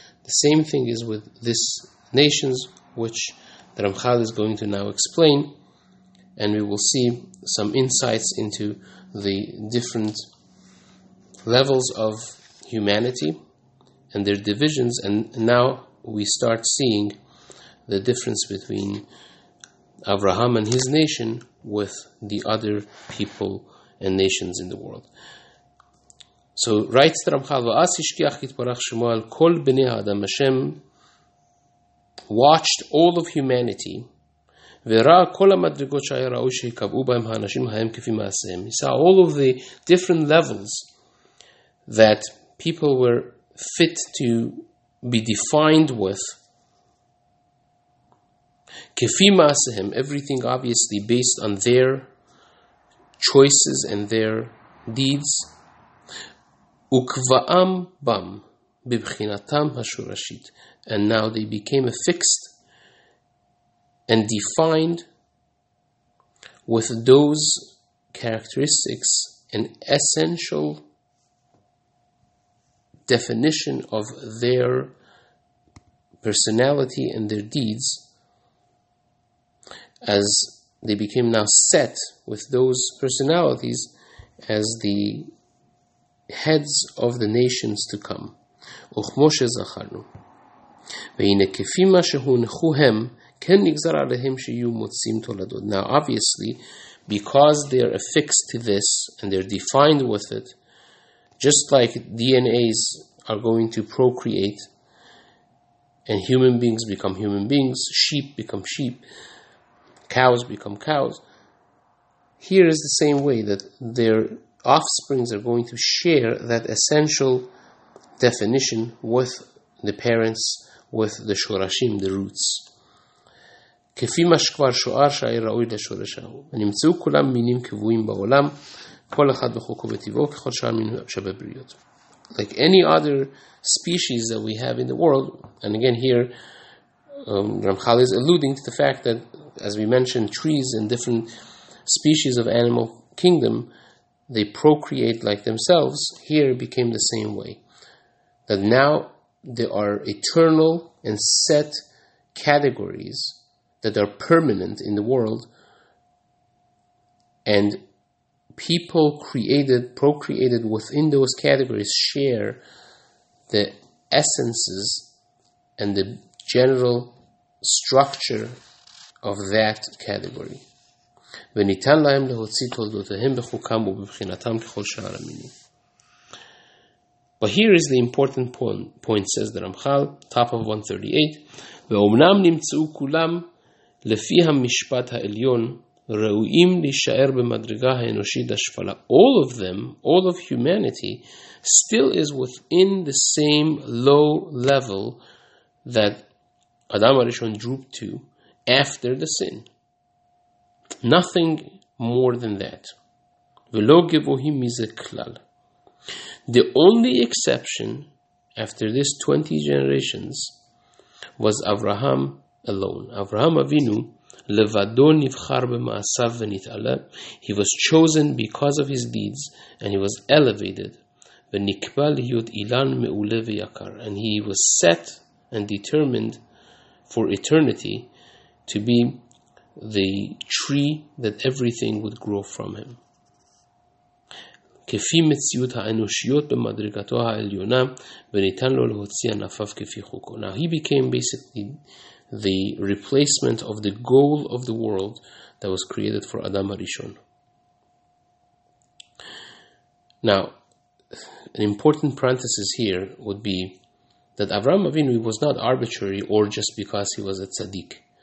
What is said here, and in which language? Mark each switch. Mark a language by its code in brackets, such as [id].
[en] The same thing is with this nations, which Ramchal is going to now explain, and we will see some insights into the different levels of humanity and their divisions. And now we start seeing the difference between Avraham and his nation with the other people and nations in the world. So writes Ramchal, [he] "V'as ishkiach itbarach shemo al kol b'nei ha'adam [en] Hashem watched all of humanity, [he] וראה כל המדרגות שהיה ראוי שיקבעו בהם האנשים ההם כפי מעשיהם." [en] He saw all of the different levels that people were fit to be defined with. [he] כפי מעשיהם, [en] everything obviously based on their choices and their deeds. [he] וקבעם בם, בבחינתם השורשית. [en] And now they became affixed and defined with those characteristics and essential definition of their personality and their deeds, as they became now set with those personalities as the heads of the nations to come. [he] וכמו שזכרנו, והנה כפי מה שהונחו הם, כן נגזר עליהם שיהיו מוצאים תולדות. [en] Now obviously, because they are affixed to this, and they are defined with it, just like DNAs are going to procreate, and human beings become human beings, sheep become sheep, cows become cows, here is the same way, that their offsprings are going to share that essential definition with the parents, with the shorashim, the roots. [he] כפי מה שכבר שואר שהיה ראוי לשורש ההוא. ונמצאו כולם מינים קבועים בעולם, כל אחד בחוקו וטבעו, ככל שאר מינים שווה בריאות. [en] Like any other species that we have in the world, and again here, Ramchal is alluding to the fact that, as we mentioned, trees and different species of animal kingdom, they procreate like themselves, here became the same way. That now there are eternal and set categories that are permanent in the world, and people created, procreated within those categories share the essences and the general structure of that category. [he] וניתן להם להוציא תולדותיהם בחוקם ובבחינתם ככל שאר המינים. [en] But here is the important point, says the Ramchal, top of 138. [he] ואומנם נמצאו כולם לפי המשפט העליון, ראויים להישאר במדרגה האנושית השפלה. [en] All of them, all of humanity, still is within the same low level that Adam HaRishon drooped to after the sin. Nothing more than that. [he] ולא גבוהים מזה כלל. [en] The only exception after this 20 generations was Avraham alone. [he] Avraham Avinu levado nivchar b'ma'asav v'nit'ala. [en] He was chosen because of his deeds and he was elevated. [he] V'nikba l'hiyot ilan me'ule v'yakar. [en] And he was set and determined for eternity to be the tree that everything would grow from him. [he] כפי מציאות האנושיות במדרגתו העליונה, וניתן לו להוציא ענפיו כפי חוקו. [en] Now he became basically the replacement of the goal of the world that was created for Adam HaRishon. Now, an important parenthesis here would be that Avraham Avinu was not arbitrary or just because he was a tzaddik.